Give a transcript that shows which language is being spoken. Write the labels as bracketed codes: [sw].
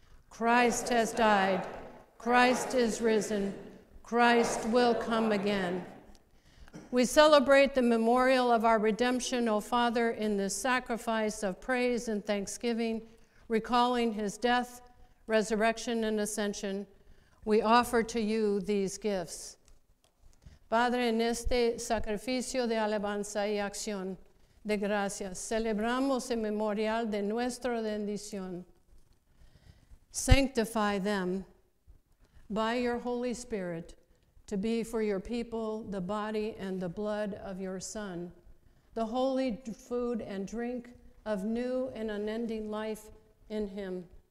[en] Christ has died. Christ is risen. Christ will come again. We celebrate the memorial of our redemption, O Father, in this sacrifice of praise and thanksgiving, recalling his death, resurrection, and ascension. We offer to you these gifts. [es] Padre, en este sacrificio de alabanza y acción de gracias, celebramos el memorial de nuestra redención. [en] Sanctify them by your Holy Spirit to be for your people the body and the blood of your Son, the holy food and drink of new and unending life in him.